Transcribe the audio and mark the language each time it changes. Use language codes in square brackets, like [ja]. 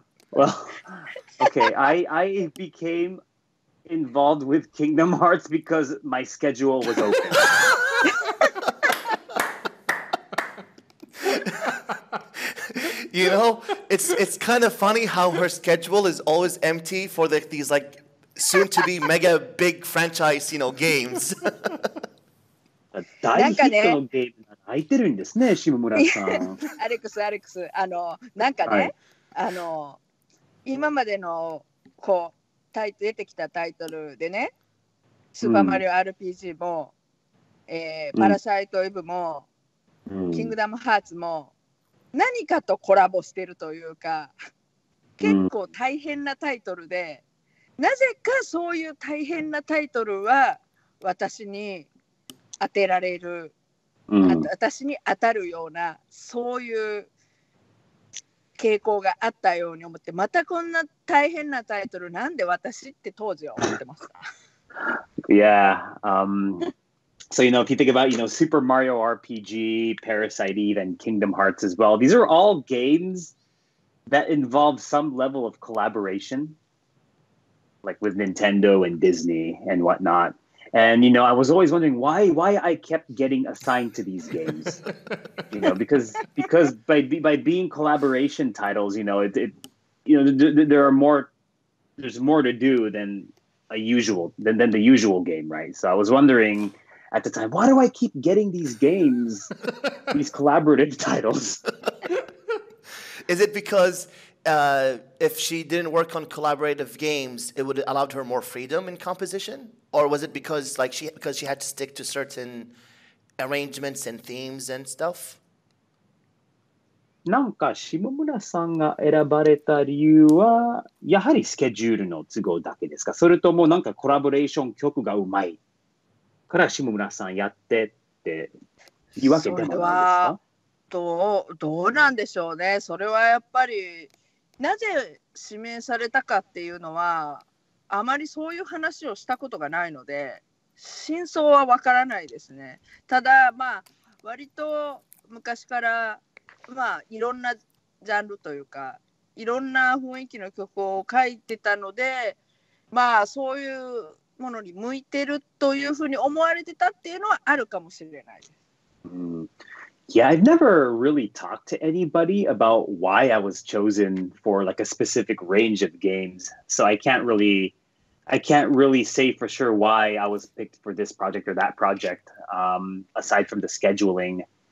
[en] Well, okay, I became involved with Kingdom Hearts because my schedule was open. You know, it's kind of funny how her schedule is always empty for the, these like soon to be mega big franchise, you know, games. [ja] A 大ヒットのゲームが空いてるんですね、下村さん。アレックス、あのなんかね、はい、あの今までのこう出てきたタイトルでね、スーパーマリオ RPG も、うん、パラサイトイブも、うん、キングダムハーツも。何かとコラボしてるというか、結構大変なタイトルで、うん、なぜかそういう大変なタイトルは私に当てられる、うん、私に当たるようなそういう傾向があったように思って、またこんな大変なタイトルなんで私って当時は思ってました。 [en] Yeah, So, you know, if you think about, you know, Super Mario RPG, Parasite Eve, and Kingdom Hearts as well, these are all games that involve some level of collaboration, like with Nintendo and Disney and whatnot. And, you know, I was always wondering why I kept getting assigned to these games, you know, because by being collaboration titles, you know, there's more to do than the usual game, right? So I was wondering, at the time, why do I keep getting these games, these collaborative titles? Is it because if she didn't work on collaborative games, it would allow her more freedom in composition? Or was it because she had to stick to certain arrangements and themes and stuff? [ja] なんか下村さんが選ばれた理由はやはりスケジュールの都合だけですか？それともなんかコラボレーション曲がうまいから下村さんやってって言い訳でもないですか？どうなんでしょうね。それはやっぱりなぜ指名されたかっていうのはあまりそういう話をしたことがないので真相はわからないですね。ただまあ割と昔からまあいろんなジャンルというかいろんな雰囲気の曲を書いてたので、まあそういうものに向いてるというふうに思われてたっていうのはあるかもしれない。 [en] Yeah, I've never really talked to anybody about why I was chosen for like a specific range of games. So I can't really say for sure why I was picked for this project or that project, aside from the scheduling.